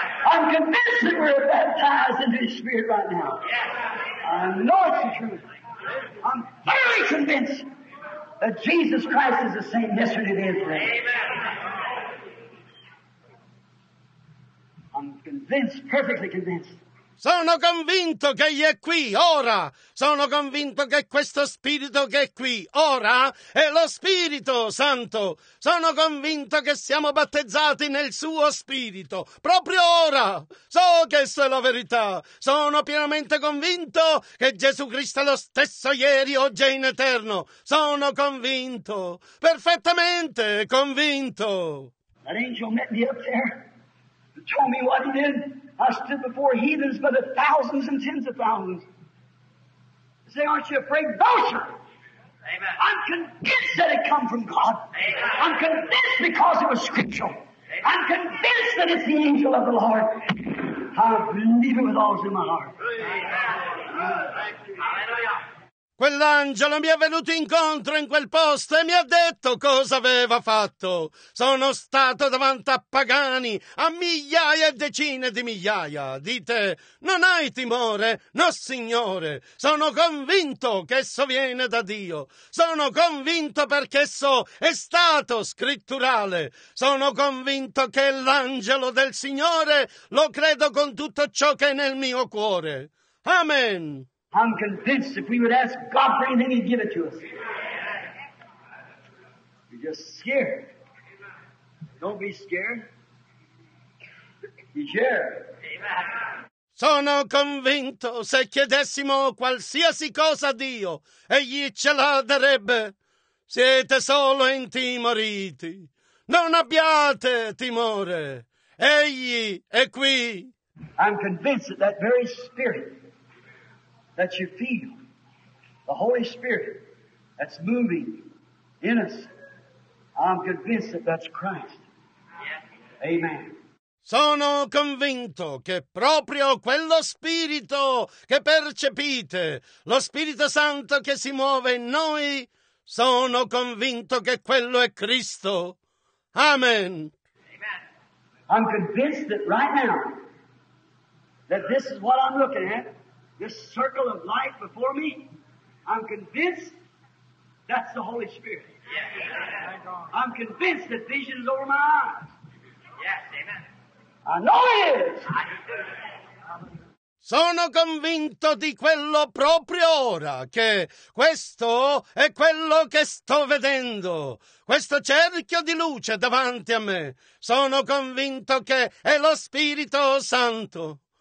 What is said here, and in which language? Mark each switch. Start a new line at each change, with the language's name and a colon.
English: I'm convinced that we're baptized into His Spirit right now. I know it's the truth. I'm thoroughly convinced that Jesus Christ is the same yesterday, today, and forever. I'm convinced, perfectly convinced.
Italian: Sono convinto che egli è qui, ora! Sono convinto che questo Spirito che è qui, ora, è lo Spirito Santo! Sono convinto che siamo battezzati nel suo Spirito, proprio ora! So che questa è la verità! Sono pienamente convinto che Gesù Cristo è lo stesso ieri, oggi e in eterno! Sono convinto, perfettamente convinto! L'angelo mi ha portato lì e mi ha detto cosa era.
English: I stood before heathens by the thousands and tens of thousands. I say, aren't you afraid? No, sir. Amen. I'm convinced that it come from God. Amen. I'm convinced because it was scriptural. Amen. I'm convinced that it's the angel of the Lord. I believe it with all in my heart. Hallelujah.
Italian: Quell'angelo mi è venuto incontro in quel posto e mi ha detto cosa aveva fatto. Sono stato davanti a pagani, a migliaia e decine di migliaia. Dite, non hai timore? No, signore. Sono convinto che esso viene da Dio. Sono convinto perché esso è stato scritturale. Sono convinto che è l'angelo del Signore. Lo credo con tutto ciò che è nel mio cuore.
English: Amen. I'm convinced if we would ask God for anything, He'd give it to us. You're just scared. Don't be scared. He's here. Amen.
Italian: Sono convinto se chiedessimo qualsiasi cosa a Dio, Egli ce la darebbe. Siete solo intimoriti. Non abbiate timore. Egli è qui.
English: I'm convinced that very spirit that you feel, the Holy Spirit that's moving in us, I'm convinced that that's Christ. Yes. Amen.
Italian: Sono convinto che proprio quello Spirito che percepite, lo Spirito Santo che si muove in noi, sono convinto che quello è Cristo. Amen. Amen.
English: I'm convinced that right now, that this is what I'm looking at, this circle of life before me, I'm convinced that's the Holy Spirit. Yes. Amen. I'm convinced that vision is over my eyes. Yes, amen. I know it is. I do.
Italian: Sono convinto di quello proprio ora, che questo è quello che sto vedendo, questo cerchio di luce davanti a me. Sono convinto che è lo Spirito Santo.